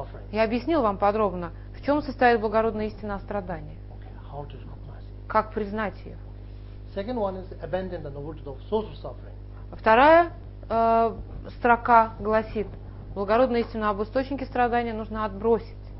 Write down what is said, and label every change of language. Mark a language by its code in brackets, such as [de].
[ru] Я объяснил вам подробно, в чем состоит благородная истина о страдании. Как признать ее. [en] Second one is abandon the novelty of source of suffering. [ru] Вторая строка гласит. Благородную истину об источнике страдания нужно отбросить.